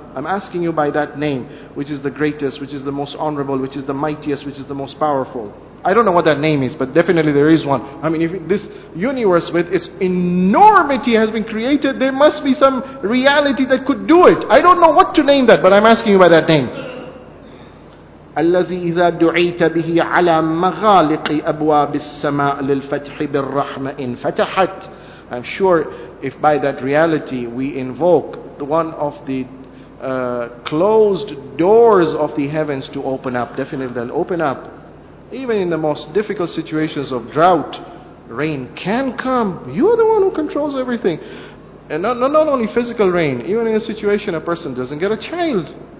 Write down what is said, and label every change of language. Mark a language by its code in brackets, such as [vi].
[en] I'm asking you by that name, which is the greatest, which is the most honorable, which is the mightiest, which is the most powerful. I don't know what that name is, but definitely there is one. I mean, if this universe with its enormity has been created, there must be some reality that could do it. I don't know what to name that, but I'm asking you by that name. [ar] الذي إذا دعيت به على مغالق أبواب السماء للفتح بالرحمة إن فتحت. [en] I'm sure if by that reality we invoke the one of the closed doors of the heavens to open up, definitely they'll open up. Even in the most difficult situations of drought, rain can come. You're the one who controls everything. And not only physical rain, even in a situation a person doesn't get a child.